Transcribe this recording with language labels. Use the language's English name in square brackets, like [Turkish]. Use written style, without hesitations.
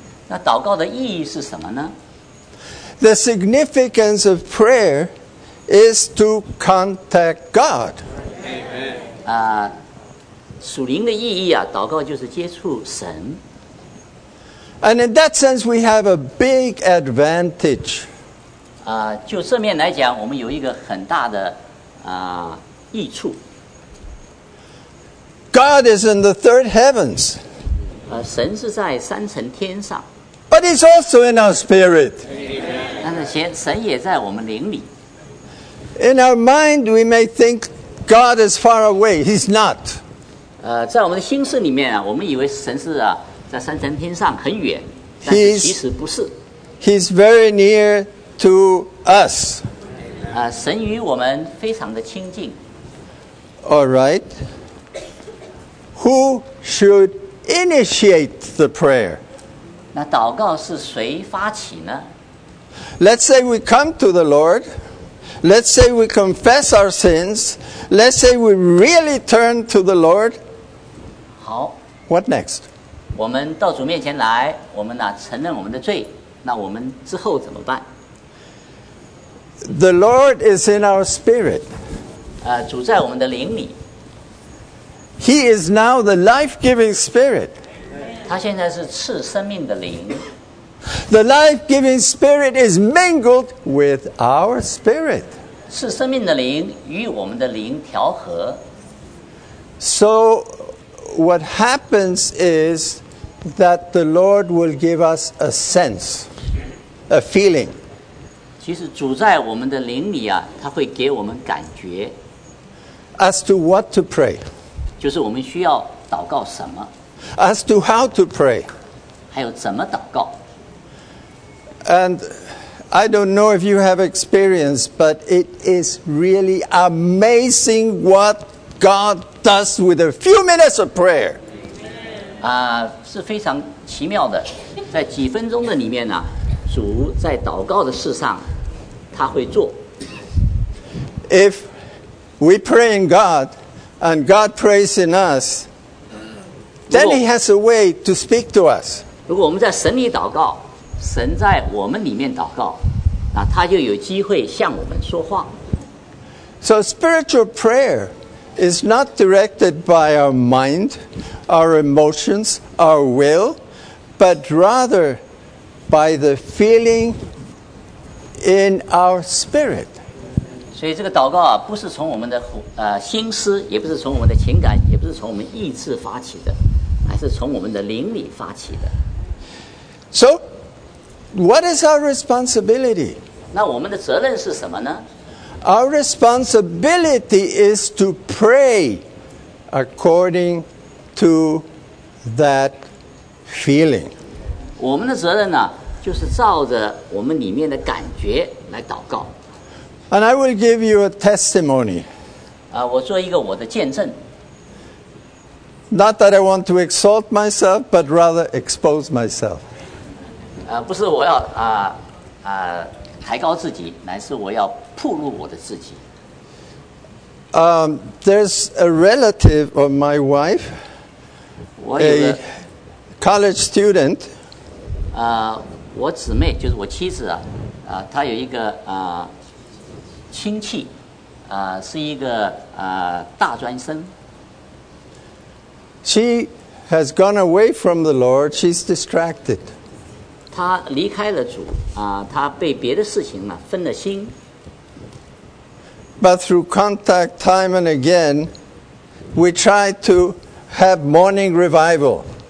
[Chinese] 那祷告的意义是什么呢? [English] The significance of prayer is to contact God. Amen. [Chinese] 属灵的意义啊, 祷告就是接触神。 [English] And in that sense, we have a big advantage. [Chinese] 就正面来讲, 我们有一个很大的, 益处。 [English] God is in the third heavens. [Chinese] 神是在三层天上。 [English] But he's also in our spirit. [Chinese] 但是神也在我们灵里。 [English] In our mind, we may think God is far away. He's not. [Chinese] 在我们的心思里面啊，我们以为神是啊在三层天上很远，但是其实不是。 [English] He's very near to us. [Chinese] 神与我们非常的亲近。 [English] All right. Who should initiate the prayer? [Chinese] 那祷告是谁发起呢？ [English] Let's say we come to the Lord. Let's say we confess our sins. Let's say we really turn to the Lord. [Chinese] 好。 [English] What next? [Chinese] 我们到主面前来，我们呢承认我们的罪，那我们之后怎么办？ [English] The Lord is in our spirit. [Chinese] 主在我们的灵里。 [English] He is now the life-giving spirit. [Chinese] 他现在是赐生命的灵。 [English] The life-giving spirit is mingled with our spirit. [Chinese] 赐生命的灵与我们的灵调和。 [English] So, what happens is that the Lord will give us a sense, a feeling. [Chinese] 其实主在我们的灵里啊，他会给我们感觉。 [English] As to what to pray. [Chinese] 就是我们需要祷告什么 [English] ？As to how to pray， [Chinese] 还有怎么祷告 [English] ？And I don't know if you have experience, but it is really amazing what God does with a few minutes of prayer. [Chinese] 是非常奇妙的，在几分钟的里面呢、啊，主在祷告的事上，他会做。 [English] If we pray in God. And God prays in us, then He has a way to speak to us. [Chinese] 如果我们在神里祷告，神在我们里面祷告，那他就有机会向我们说话。 [English] So spiritual prayer is not directed by our mind, our emotions, our will, but rather by the feeling in our spirit. [Chinese] 所以这个祷告啊，不是从我们的心思，也不是从我们的情感，也不是从我们意志发起的，而是从我们的灵里发起的。 [English] So, what is our responsibility? [Chinese] 那我们的责任是什么呢？ [English] Our responsibility is to pray according to that feeling. [Chinese] 我们的责任呢，就是照着我们里面的感觉来祷告。 [English] And I will give you a testimony. [Chinese] 我做一个我的见证。 [English] Not that I want to exalt myself, but rather expose myself. [Chinese] 不是我要抬高自己，乃是我要暴露我的自己。 [English] There's a relative of my wife, a college student. [Chinese] 我姊妹就是我妻子啊，她有一个亲戚，是一个大专生。 [English] She has gone away from the Lord. She's distracted. [Chinese] 她离开了主她被别的事情分了心。 [English] But through contact time and again, we try to have morning revival.